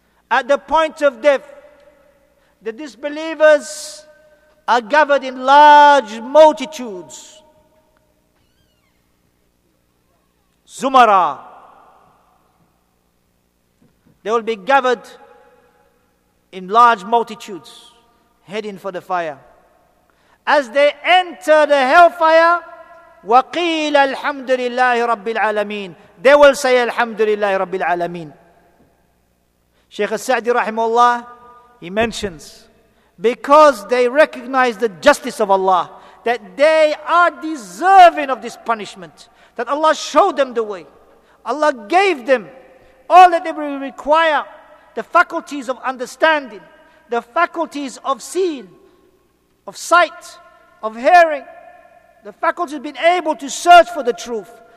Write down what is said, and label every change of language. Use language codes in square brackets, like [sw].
[en] At the point of death, the disbelievers are gathered in large multitudes. [ar] Zumara. [en] They will be gathered in large multitudes, heading for the fire. As they enter the hellfire, [ar] وَقِيلَ الْحَمْدُ لِلَّهِ رَبِّ الْعَالَمِينَ, [en] they will say [ar] الْحَمْدُ لِلَّهِ رَبِّ الْعَالَمِينَ. [en] Shaykh al-Sa'di rahimahullah, he mentions, because they recognize the justice of Allah, that they are deserving of this punishment, that Allah showed them the way, Allah gave them all that they will require, the faculties of understanding, the faculties of seeing, of sight, of hearing, the faculty has been able to search for the truth.